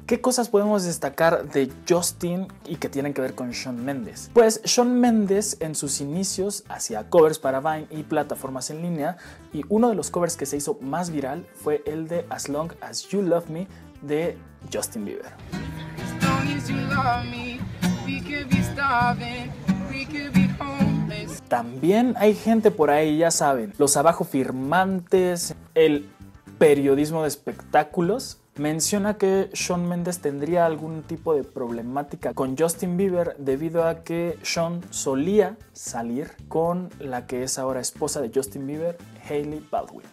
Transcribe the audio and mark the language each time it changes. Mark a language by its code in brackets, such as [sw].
[es] ¿Qué cosas podemos destacar de Justin y que tienen que ver con Shawn Mendes? Pues Shawn Mendes en sus inicios hacía covers para Vine y plataformas en línea, y uno de los covers que se hizo más viral fue el de As Long As You Love Me de Justin Bieber. [en] As long as you love me, we could be starving, we could be. [es] También hay gente por ahí, ya saben, los abajo firmantes, el periodismo de espectáculos. Menciona que Shawn Mendes tendría algún tipo de problemática con Justin Bieber debido a que Shawn solía salir con la que es ahora esposa de Justin Bieber, Hailey Baldwin.